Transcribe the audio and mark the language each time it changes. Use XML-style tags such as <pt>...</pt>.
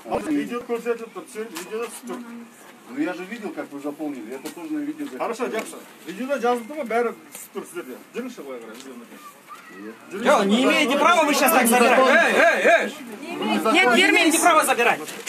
<kk>Видео көрсетіп тұр,</kk> <ru>все,</ru> <kk>видео тұр.</kk> <ru>Ну я же видел, как вы заполнили. Это тоже на видео записано. Хорошо, Дякша.</ru> <kk>Видео жазылды ма, бәрі тұр сіздерде. Жүріңізші былай қарай,</kk> <ru>видео напишите. Йо, не имеете права вы сейчас так забирать. Эй, эй, эй! Нет, не имеете права забирать.</ru>